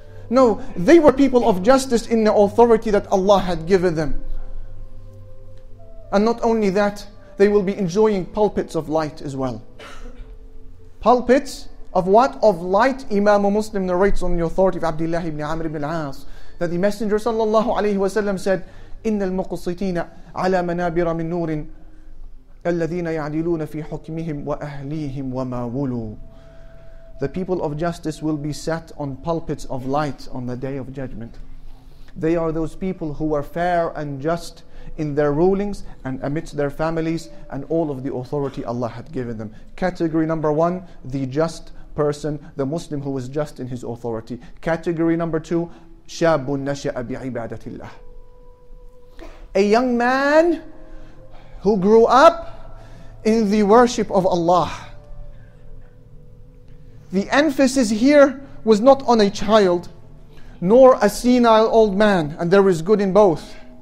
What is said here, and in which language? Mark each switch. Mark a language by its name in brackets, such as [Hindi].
[English] No, they were people of justice in the authority that Allah had given them. And not only that, they will be enjoying pulpits of light as well. Pulpits of what? Of light. Imam Muslim narrates on the authority of Abdullah ibn Amr ibn al-As that the Messenger sallallahu alayhi wa sallam said, [Arabic] إِنَّ الْمُقْصِتِينَ عَلَى مَنَابِرَ مِنْ نُورٍ الَّذِينَ يَعْدِلُونَ فِي حُكْمِهِمْ وَأَهْلِيهِمْ وَمَا وُلُوا. [English] The people of justice will be set on pulpits of light on the day of judgment. They are those people who are fair and just in their rulings and amidst their families and all of the authority Allah had given them. Category number one, the just person, the Muslim who is just in his authority. Category number two, [Arabic] شَابٌ نَشَأَ بِعِبَادَةِ اللَّهِ. [English] A young man who grew up in the worship of Allah. The emphasis here was not on a child, nor a senile old man, and there is good in both.